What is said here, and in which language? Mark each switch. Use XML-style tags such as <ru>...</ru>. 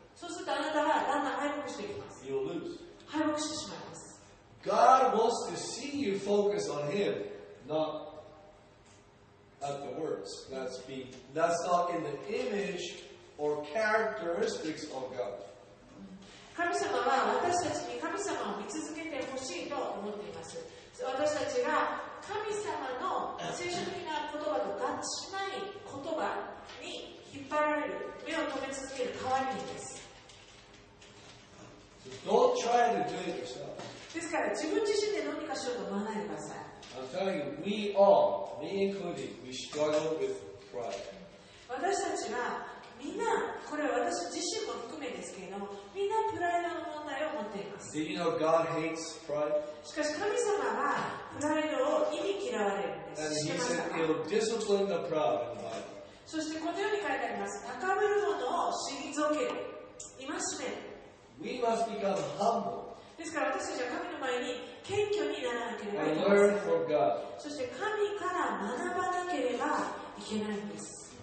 <ja>そうするとあなたはだんだん敗北していきます。</ja> <en>You'll lose.</en> <ja>敗北してしまいます。</ja> <en>God wants to see you focus on Him, not at the words. That's not in the image or characteristics of God.</en> <ja>神様は私たちに神様を見続けてほしいと思っています。私たちが神様の正直な言葉と合致しない言葉に引っ張られる、目を止め続ける代わりにです。</ja> <en>Don't try to do it yourself.</en> <ja>ですから自分自身で何かしようと思わないでください。</ja> <en>I'm telling you, we all, me included, we struggle with pride.</en> <ja>私たちはみんな、これは私自身も含めですけれども、みんなプライドの問題を持っています。</ja> <en>Did you know God hates pride?</en> <ja>しかし神様はプライドを忌み嫌われるんです。</ja> <en>And He said, He'll discipline the proud in the Bible.</en> <ja>そしてこのように書いてあります。高ぶる者を退ける。戒める。</ja> <en>We must become humble.</en> <ja>ですから私たちは神の前に謙虚にならなければいけない。</ja> <en>Learn from God.</en> <ja>そして神から学ばなければいけないんです。</ja>